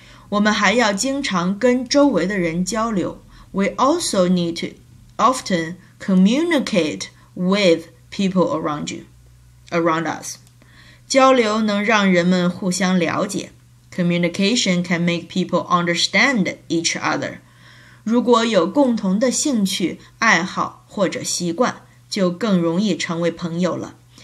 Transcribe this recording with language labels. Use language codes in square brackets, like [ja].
[zh] 我们还要经常跟周围的人交流。 [en] We also need to often communicate with people around us. [zh] 交流能让人们互相了解。 [en] Communication can make people understand each other. [zh] 如果有共同的兴趣、爱好或者习惯，就更容易成为朋友了。